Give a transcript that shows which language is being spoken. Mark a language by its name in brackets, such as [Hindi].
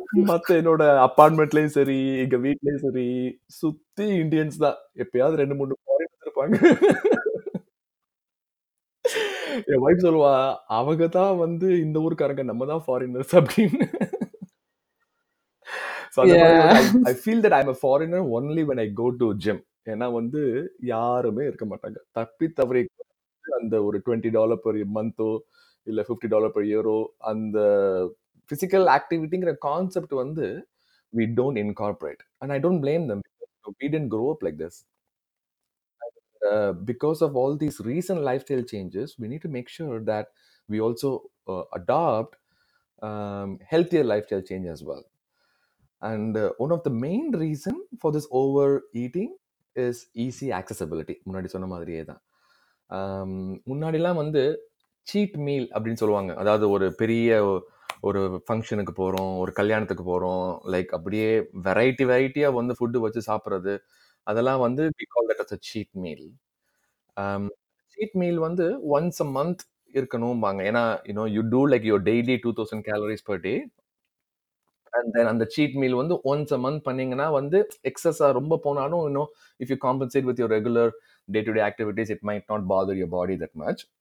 [Tamil] மத்த என்னோட அப்பார்ட்மெண்ட்லயும் சரி எங்க வீட்லயும் சரி சுத்தி இந்தியன்ஸ் தான், எப்பயாவது ரெண்டு மூணு ஃபாரினர் இருப்பாங்க. என் வைஃப் சொல்லுவா அவங்க தான் வந்து இந்த ஊருக்காரங்க நம்ம தான் ஃபாரினர்ஸ் அப்படின்னு. [English] I feel that I'm a foreigner only when I go to a gym. [Tamil] ஏன்னா வந்து யாருமே இருக்க மாட்டாங்க தப்பி தவறி. அந்த ஒரு [English] $20 per month [Tamil] இல்லை [English] $50 per year அந்த physical activityங்கிற concept வந்து we don't incorporate. And I don't blame them. We didn't grow up like this. Because of all these recent lifestyle changes, we need to make sure that we also adopt healthier lifestyle change as well. And one of the main reason for this overeating is easy accessibility. [Tamil] முன்னாடி சொன்ன மாதிரியே தான். முன்னாடி எல்லாம் வந்து seat meal அப்படின்னு சொல்லுவாங்க, அதாவது ஒரு பெரிய ஒரு ஃபங்க்ஷனுக்கு போகிறோம், ஒரு கல்யாணத்துக்கு போகிறோம், லைக் அப்படியே வெரைட்டி வெரைட்டியாக வந்து ஃபுட்டு வச்சு சாப்பிட்றது, அதெல்லாம் வந்து [English] We call that as a cheat meal. Cheat meal வந்து once a month [Tamil] இருக்கணும் வாங்க, ஏன்னா [English] You know you do like your daily 2000 calories per day. And then on the cheat meal, once a month, [Tamil] pannengana, vandu excess ah romba ponaalum, [English] you know, if you compensate with your regular day-to-day activities, it might not bother your body that much.